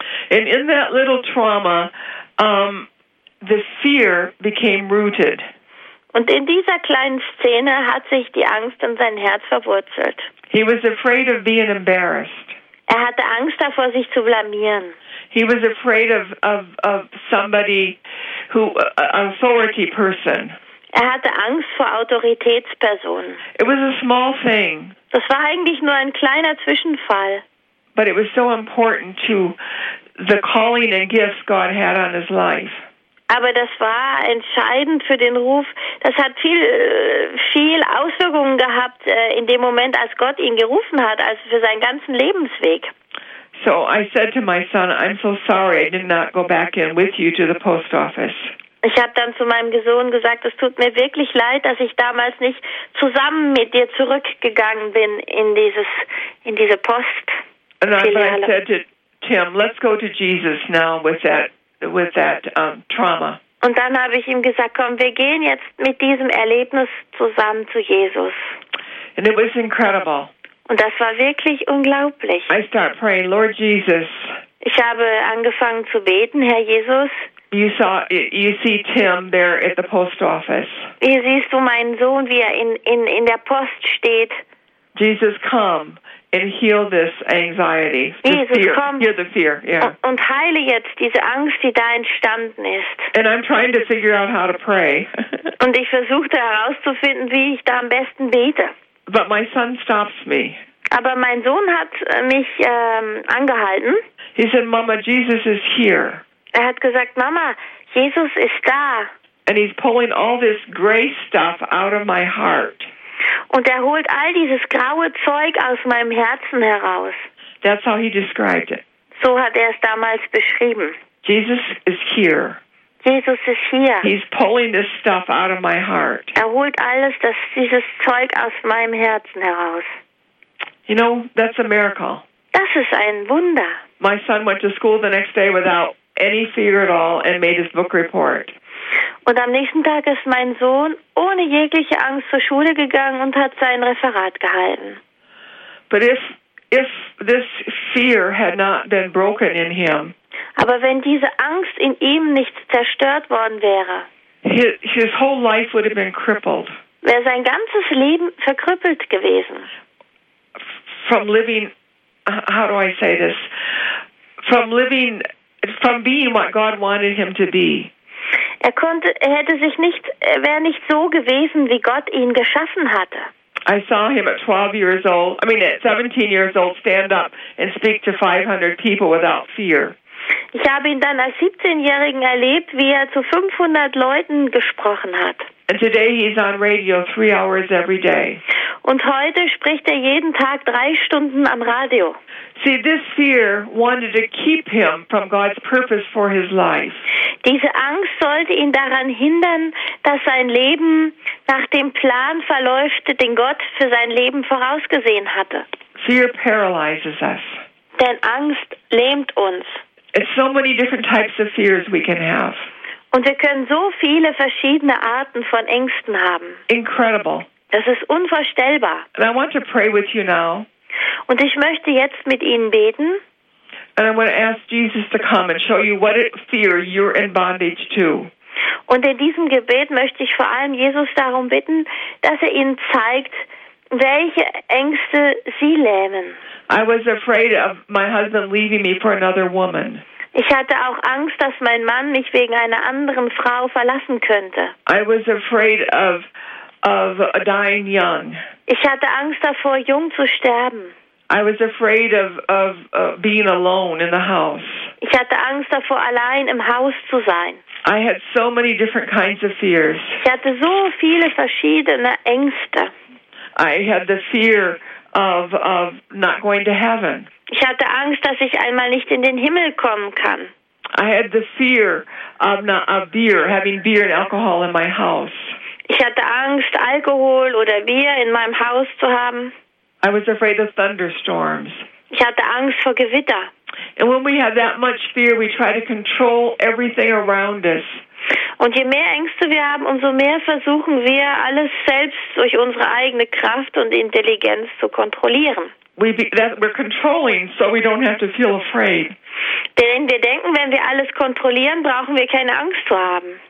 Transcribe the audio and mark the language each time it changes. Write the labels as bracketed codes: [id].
[en] And in that little trauma, the fear became rooted. [de] Und in dieser kleinen Szene hat sich die Angst in sein Herz verwurzelt. [en] He was afraid of being embarrassed. [de] Er hatte Angst davor, sich zu blamieren. [en] He was afraid of somebody who authority person. [de] Er hatte Angst vor Autoritätspersonen. [en] It was a small thing. [de] Das war eigentlich nur ein kleiner Zwischenfall. [en] But it was so important to the calling and gifts God had on his life. [de] Aber das war entscheidend für den Ruf. Das hat viel Auswirkungen gehabt in dem Moment, als Gott ihn gerufen hat, also für seinen ganzen Lebensweg. [en] So I said to my son, I'm so sorry, I did not go back in with you to the post office. [de] Ich habe dann zu meinem Sohn gesagt, es tut mir wirklich leid, dass ich damals nicht zusammen mit dir zurückgegangen bin in diese Postfiliale. [en] And I said to Tim, let's go to Jesus now with that trauma. [de] Und dann habe ich ihm gesagt, komm, wir gehen jetzt mit diesem Erlebnis zusammen zu Jesus. [en] And it was incredible. [de] Und das war wirklich unglaublich. [en] I start praying, Lord Jesus. [de] Ich habe angefangen zu beten, Herr Jesus. [en] You see Tim there at the post office. [de] Hier siehst du meinen Sohn, wie er in der Post steht. [en] Jesus, come and heal this anxiety. [de] Jesus, komm. [en] Heal the fear. Yeah. [de] Und heile jetzt diese Angst, die da entstanden ist. [en] And I'm trying to figure out how to pray. [de] Und ich versuchte herauszufinden, wie ich da am besten bete. [en] But my son stops me. [de] Aber mein Sohn hat mich angehalten. [en] He said, Mama, Jesus is here. [de] Er hat gesagt, Mama, Jesus ist da. [en] And he's pulling all this gray stuff out of my heart. [de] Und er holt all dieses graue Zeug aus meinem Herzen heraus. [en] That's how he described it. [de] So hat er es damals beschrieben. [en] Jesus is here. [de] Jesus ist hier. [en] He's pulling this stuff out of my heart. [de] Er holt alles, dieses Zeug aus meinem Herzen heraus. [en] You know, that's a miracle. [de] Das ist ein Wunder. [en] My son went to school the next day without any fear at all and made his book report. [de] Und am nächsten Tag ist mein Sohn ohne jegliche Angst zur Schule gegangen und hat sein Referat gehalten. [en] But if this fear had not been broken in him. [de] Aber wenn diese Angst in ihm nicht zerstört worden wäre. [en] His whole life would have been crippled. [de] Wäre sein ganzes Leben verkrüppelt gewesen. [en] From living, how do I say this? From being what God wanted him to be. [de] Wäre nicht so gewesen, wie Gott ihn geschaffen hatte. [en] I saw him at 17 years old stand up and speak to 500 people without fear. [de] Ich habe ihn dann als 17-Jährigen erlebt, wie er zu 500 Leuten gesprochen hat. [en] And today he's on radio 3 hours every day. [de] Und heute spricht er jeden Tag 3 Stunden am Radio. [en] See, this fear wanted to keep him from God's purpose for his life. [de] Diese Angst sollte ihn daran hindern, dass sein Leben nach dem Plan verläuft, den Gott für sein Leben vorausgesehen hatte. [en] Fear paralyzes us. [de] Denn Angst lähmt uns. [en] It's so many different types of fears we can have. [de] Und wir können so viele verschiedene Arten von Ängsten haben. [en] Incredible. [de] Das ist unvorstellbar. [en] And I want to pray with you now. [de] Und ich möchte jetzt mit Ihnen beten. [en] And I'm going to ask Jesus to come and show you what fear you're in bondage to. [de] Und in diesem Gebet möchte ich vor allem Jesus darum bitten, dass er Ihnen zeigt, welche Ängste Sie lähmen. [en] I was afraid of my husband leaving me for another woman. [de] Ich hatte auch Angst, dass mein Mann mich wegen einer anderen Frau verlassen könnte. [en] I was afraid of dying young. [de] Ich hatte Angst davor, jung zu sterben. [en] I was afraid of being alone in the house. [de] Ich hatte Angst davor, allein im Haus zu sein. [en] I had so many different kinds of fears. [de] Ich hatte so viele verschiedene Ängste. [en] I had the fear of not going to heaven. [de] Ich hatte Angst, dass ich einmal nicht in den Himmel kommen kann. [en] I had the fear having beer and alcohol in my house. [de] Ich hatte Angst, Alkohol oder Bier in meinem Haus zu haben. [en] I was afraid of thunderstorms. [de] Ich hatte Angst vor Gewitter. [en] And when we have that much fear, we try to control everything around us. [de] Und je mehr Ängste wir haben, umso mehr versuchen wir, alles selbst durch unsere eigene Kraft und Intelligenz zu kontrollieren. [en] We're controlling, so we don't have to feel afraid. [de] Denn wir denken, wenn wir alles kontrollieren, brauchen wir keine Angst zu haben.